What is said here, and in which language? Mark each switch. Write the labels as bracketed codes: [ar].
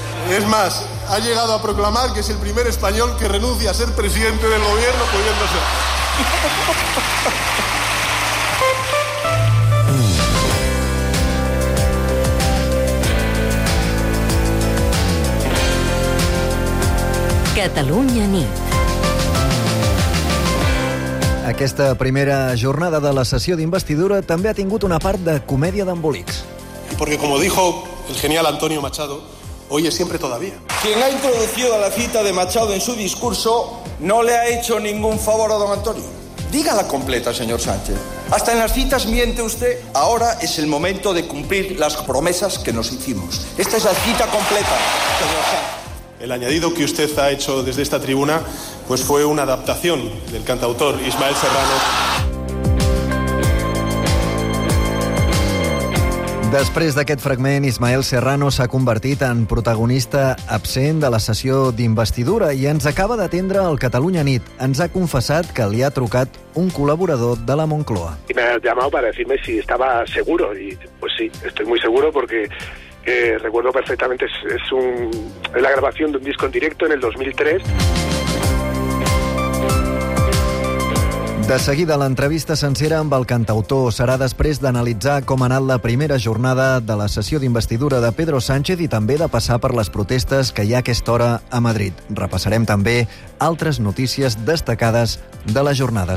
[es] Es más, ha llegado a proclamar que es el primer español que renuncia a ser presidente del gobierno pudiendo ser. [ca] Catalunya nit. Aquesta primera jornada de la sessió d'investidura també ha tingut una part de comèdia d'embolics. [es] Porque como dijo el genial Antonio Machado, hoy es siempre todavía. Quien ha introducido la cita de Machado en su discurso no le ha hecho ningún favor a don Antonio. Dígala completa, señor Sánchez. Hasta en las citas miente usted. Ahora es el momento de cumplir las promesas que nos hicimos. Esta es la cita completa, señor Sánchez. El añadido que usted ha hecho desde esta tribuna pues fue una adaptación del cantautor Ismael Serrano. [ca] Després d'aquest fragment, Ismael Serrano s'ha convertit en protagonista absent de la sessió d'investidura i ens acaba d'atendre al Catalunya Nit. Ens ha confessat que li ha trucat un col·laborador de la Moncloa. [es] Y me ha llamado para decirme si estaba seguro. Y pues sí, estoy muy seguro porque recuerdo perfectamente. Es la grabación de un disco en directo en el 2003. [ca] De seguida, l'entrevista sencera amb el cantautor serà després d'analitzar com ha anat la primera jornada de la sessió d'investidura de Pedro Sánchez i també de passar per les protestes que hi ha a aquesta hora a Madrid. Repassarem també altres notícies destacades de la jornada.